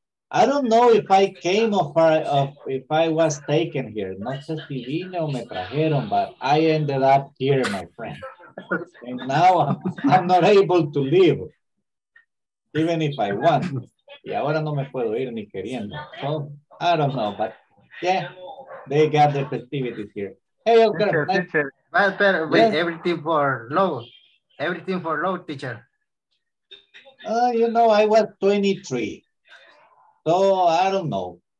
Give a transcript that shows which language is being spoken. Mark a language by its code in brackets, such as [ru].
[en] I don't know if I came or if I was taken here. [es] No sé si vine o me trajeron, [en] but I ended up here, my friend. And now I'm not able to leave, even if I want. [es] Y ahora no me puedo ir ni queriendo. [en] So, I don't know, but yeah, they got the festivities here. Hey, okay. Wait, everything for love. Everything for love, teacher. You know, I was 23. So I don't know.